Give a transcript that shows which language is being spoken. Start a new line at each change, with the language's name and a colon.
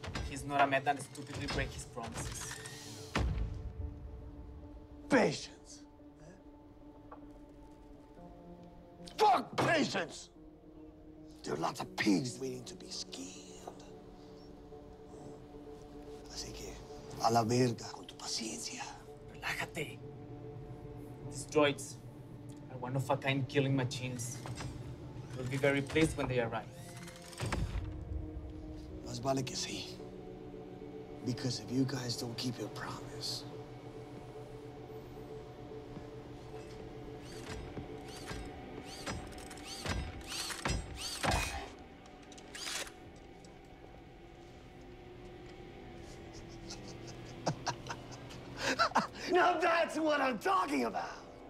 English: He's not a man that stupidly break his promises. Patience. Fuck patience! There are lots of pigs waiting to be skinned.
Spanish: Así que, a la verga con tu paciencia. Relájate.
English: These droids are one of a kind killing machines. We'll be very pleased when they arrive.
Spanish: Más vale que sí.
English: Because if you guys don't keep your promise, what I'm talking about.